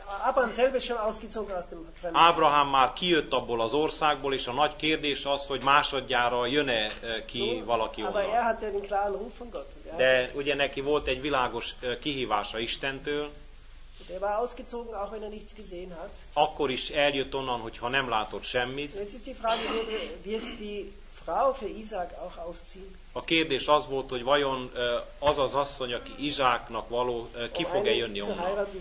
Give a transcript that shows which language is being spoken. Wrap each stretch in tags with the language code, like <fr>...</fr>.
<de>Abraham selber schon ausgezogen aus dem fremden Land.</de> <hu>Abraham már kijött abból az országból, és a nagy kérdés az, hogy másodjára jön-e ki valaki onnan.</hu> <de>Aber er hatte einen klaren Ruf von Gott.</de> <hu>De ugye neki volt egy világos kihívása Istentől.</hu> <de>Der war ausgezogen, auch wenn er nichts gesehen hat.</de> <hu>Akkor is eljött onnan, hogyha nem látott semmit.</hu> <de>Jetzt ist die Frage, wird die Frau für Isaac auch ausziehen?</de> <hu>A kérdés az volt, hogy vajon az az asszony, aki Izsáknak való, ki fog-e jönni onnan?</hu>